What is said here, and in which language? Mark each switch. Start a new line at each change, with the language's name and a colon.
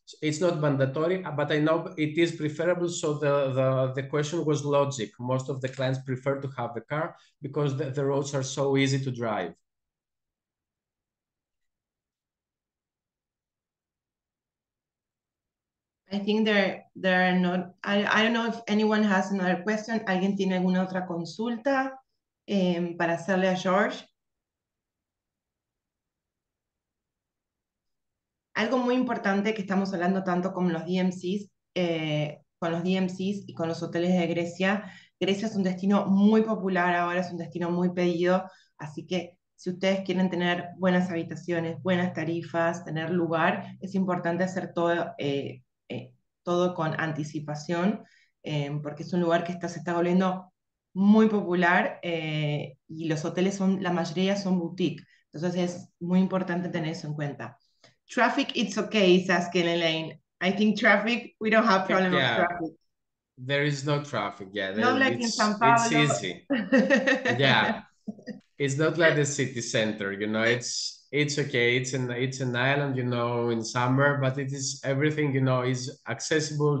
English: It's not mandatory, but I know it is preferable. So the question was logic. Most of the clients prefer to have a car because the roads are so easy to drive. I think there are not, I don't know if anyone has another question.
Spanish: ¿Alguien tiene alguna otra consulta para hacerle a George? Algo muy importante que estamos hablando tanto con los DMCs y con los hoteles de Grecia. Grecia es un destino muy popular ahora, es un destino muy pedido, así que si ustedes quieren tener buenas habitaciones, buenas tarifas, tener lugar, es importante hacer todo, todo con anticipación, porque es un lugar que se está volviendo muy popular y los hoteles son, la mayoría son boutique, entonces es muy importante tener eso en cuenta.
English: Traffic, it's okay, is asking Elaine. I think traffic, we don't have problem with traffic. There is no traffic, yeah. Not like in San Pablo. It's easy. Yeah. It's not like the city center, you know. It's okay. It's an island, you know, in summer, but it is everything, you know, is accessible.